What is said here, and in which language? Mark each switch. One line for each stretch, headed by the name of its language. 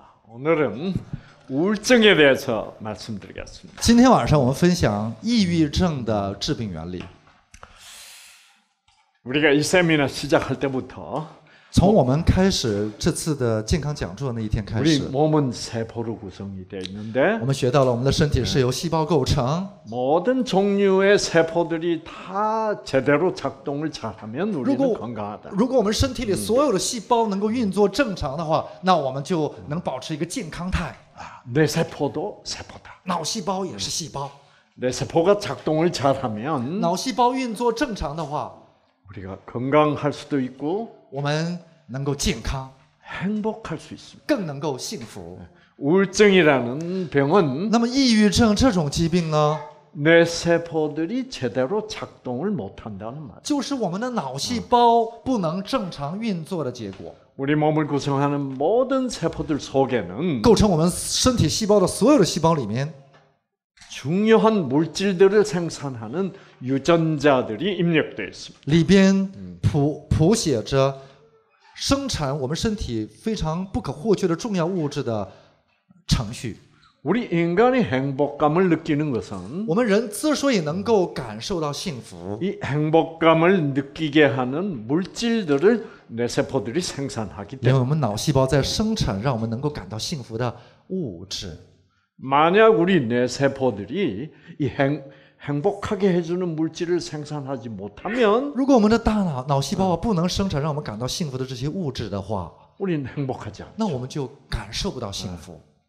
Korean: 오늘은 우울증에 대해서 말씀드리겠습니다.
Chinese: 今天晚上我们分享抑郁症的治病原理。
Korean: 우리가 이 세미나 시작할 때부터
Chinese: 从我们开始这次的健康讲座那一天开始，
Korean: 우리 몸은 세포로 구성이 되어 있는데，
Chinese: 我们学到了我们的身体是由细胞构成，
Korean: 모든 종류의 세포들이 다 제대로 작동을 잘하면 우리는 건강하다.
Chinese: 如果我们身体里所有的细胞能够运作正常的话，那我们就能保持一个健康态。
Korean: 내 세포도 세포다.
Chinese: 脑细胞也是细胞。
Korean: 내 세포가 작동을 잘하면
Chinese: 脑细胞运作正常的话，
Korean: 우리가 건강할 수도 있고
Chinese: 我们能够健康，
Korean: 행복할 수 있습니다.
Chinese: 更能够幸福。
Korean: 우울증이라는 병은
Chinese: 那么抑郁症这种疾病呢，
Korean: 내 세포들이 제대로 작동을 못한다는 말.
Chinese: 就是我们的脑细胞不能正常运作的结果。
Korean: 우리 몸을 구성하는 모든 세포들 속에는
Chinese: 构成我们身体细胞的所有的细胞里面，
Korean: 중요한 물질들을 생산하는 유전자들이 입력되어 있습니다.
Chinese: 里边谱写着生产我们身体非常不可或缺的重要物质的程序。
Korean: 우리 인간이 행복감을 느끼는 것은
Chinese: 我们人之所以能够感受到幸福，
Korean: 이 행복감을 느끼게 하는 물질들을 내 세포들이 생산하기 때문에，
Chinese: 因为我们脑细胞在生产让我们能够感到幸福的物质。
Korean: 만약 우리 뇌 세포들이 이 행복하게 해주는 물질을 생산하지 못하면，
Chinese: 如果我们的大脑细胞不能生产让我们感到幸福的这些物质的话，
Korean: 우리는 행복하지 않죠，
Chinese: 那我们就感受不到幸福。